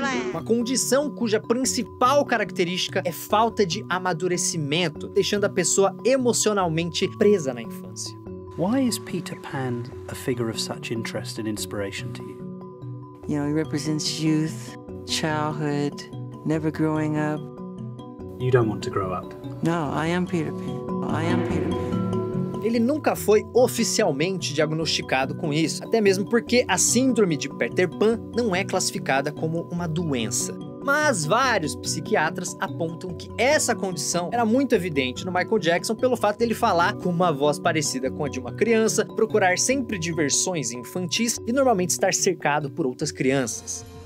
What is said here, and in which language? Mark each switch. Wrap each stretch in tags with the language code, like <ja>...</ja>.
<pt>Uma condição cuja principal característica é falta de amadurecimento, deixando a pessoa emocionalmente presa na infância.</pt> <en>Why is Peter Pan a figure of such interest and inspiration to you? You know, he represents youth, childhood, never growing up. You don't want to grow up. No, I am Peter Pan. I am Peter Pan.</en> <pt>Ele nunca foi oficialmente diagnosticado com isso, até mesmo porque a síndrome de Peter Pan não é classificada como uma doença. Mas vários psiquiatras apontam que essa condição era muito evidente no Michael Jackson pelo fato dele falar com uma voz parecida com a de uma criança, procurar sempre diversões infantis e normalmente estar cercado por outras crianças.</pt>